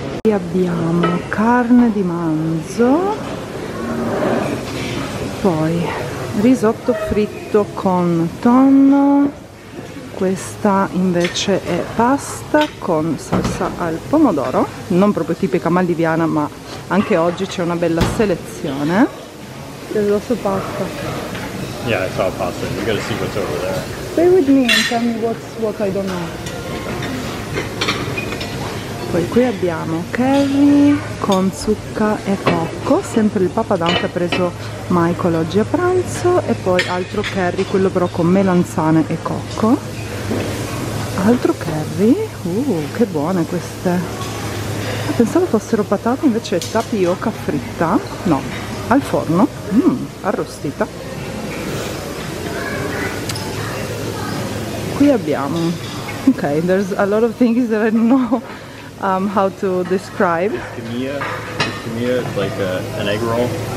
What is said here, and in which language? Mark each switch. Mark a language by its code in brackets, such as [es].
[it] Qui abbiamo carne di manzo, poi risotto fritto con tonno, questa invece è pasta con salsa al pomodoro, non proprio tipica maldiviana, ma anche oggi c'è una bella selezione. Vedo su pasta. [en] Yeah, I saw pasta. You got a secret over there. Stay with me and tell me what I don't know. [it] Poi qui abbiamo curry con zucca e cocco, sempre il papadum che ha preso Michael oggi a pranzo, e poi altro curry, quello però con melanzane e cocco. Altro curry, che buone queste. Pensavo fossero patate, invece è tapioca fritta, no, al forno, arrostita. Qui abbiamo, [en] ok, there's a lot of things that I don't know. How to describe? Kimia, it's like an egg roll.